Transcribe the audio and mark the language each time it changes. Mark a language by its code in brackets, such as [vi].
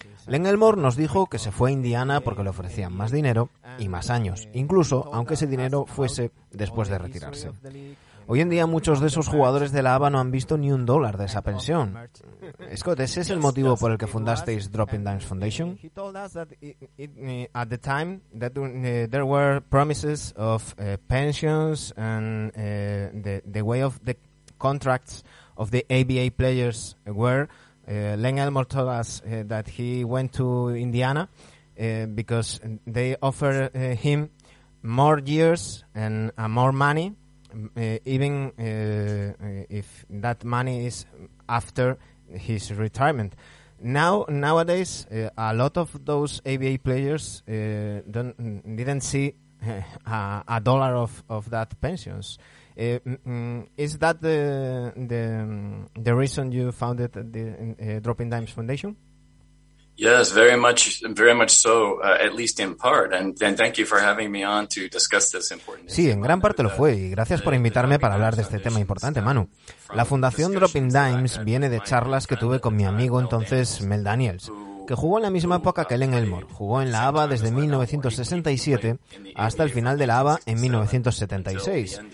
[es] Len Elmore nos dijo que se fue a Indiana porque le ofrecían más dinero y más años, incluso aunque ese dinero fuese después de retirarse. Hoy en día muchos de esos jugadores de la ABA no han visto ni un dólar de esa pensión. Scott, ¿ese es el motivo por el que fundasteis Dropping Dimes Foundation? [en] He told us that at the time that there were promises of pensions and the way of the contracts of the ABA players were. Len Elmore told us that he went to Indiana because they offered him more years and more money, even if that money is after his retirement. Nowadays, a lot of those ABA players didn't see a dollar of that pensions. Is that the reason you founded the Dropping Dimes Foundation? Yes, very much so, at least in part. And thank you for having me on to discuss this important issue. [es] Sí, en gran parte lo fue, y gracias por invitarme para hablar de este tema importante, Manu. La fundación Dropping Dimes viene de charlas que tuve con mi amigo entonces, Mel Daniels, que jugó en la misma época que Len Elmore. Jugó en la ABA desde 1967 hasta el final de la ABA en 1976.